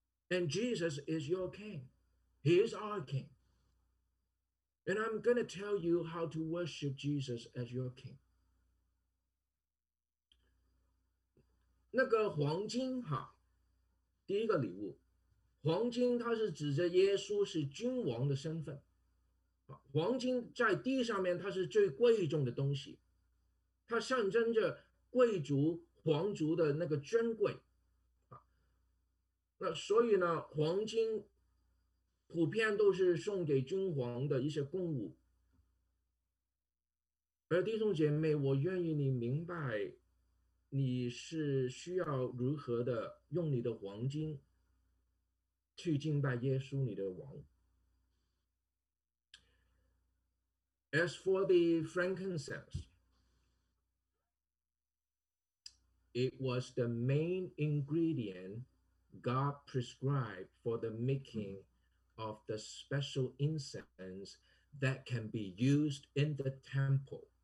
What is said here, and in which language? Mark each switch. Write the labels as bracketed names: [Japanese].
[English] And Jesus is your king. He is our king. And I'm going to tell you how to worship Jesus as your king. [Chinese] 那个黄金哈，第一个礼物，黄金它是指着耶稣是君王的身份。黄金在地上面它是最贵重的东西，它象征着贵族皇族的那个尊贵，那所以呢，黄金普遍都是送给君皇的一些贡物。而弟兄姐妹，我愿意你明白你是需要如何的用你的黄金去敬拜耶稣你的王。 [English] As for the frankincense, it was the main ingredient God prescribed for the making of the special incense that can be used in the temple.